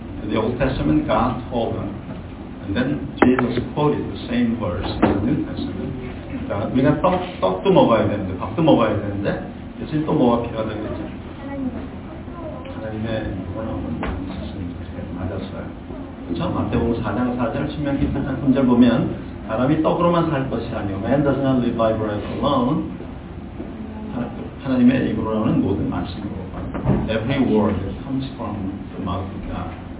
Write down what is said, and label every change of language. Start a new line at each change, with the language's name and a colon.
English: the Old Testament, God told them, and then Jesus quoted the same verse in the New Testament.
Korean: 자, 우리가 떡도 먹어야 되는데, 밥도 먹어야 되는데, 이제 또 뭐가 필요하다겠죠? 하나님의 원어문 맞았어요. 그쵸? 마태복음 4장 4절, 신명기 4장 3절 보면, 사람이 떡으로만 살 것이 아니오.
English: Man does not live by bread alone.
Korean: 하나님의 입으로는 모든 말씀으로.
English: Every word comes from the mouth of God.